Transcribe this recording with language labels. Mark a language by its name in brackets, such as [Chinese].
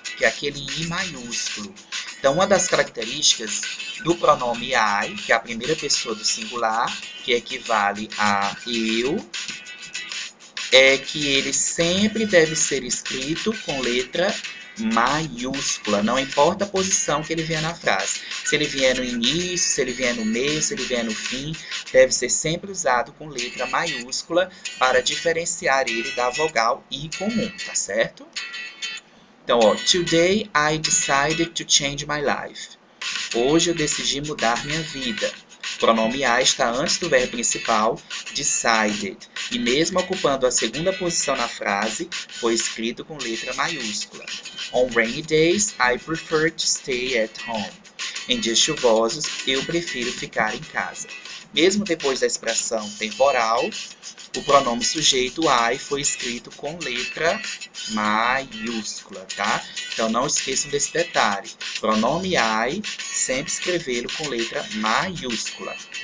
[Portuguese] Que é aquele I maiúsculo. Então, uma das características do pronome I, que é a primeira pessoa do singular, que equivale a eu, é que ele sempre deve ser escrito com letra maiúscula, não importa a posição que ele vier na frase. Se ele vier no início, se ele vier no meio, se ele vier no fim, deve ser sempre usado com letra maiúscula para diferenciar ele da vogal I comum, tá certo? Então, ó, [English] today I decided to change my life. [Portuguese] Hoje eu decidi mudar minha vida. O pronome I está antes do verbo principal, decided. E mesmo ocupando a segunda posição na frase, foi escrito com letra maiúscula. [English] On rainy days, I prefer to stay at home. [Portuguese] Em dias chuvosos, eu prefiro ficar em casa. Mesmo depois da expressão temporal, o pronome sujeito I foi escrito com letra maiúscula, tá? Então não esqueçam desse detalhe. Pronome I, sempre escrevê-lo com letra maiúscula.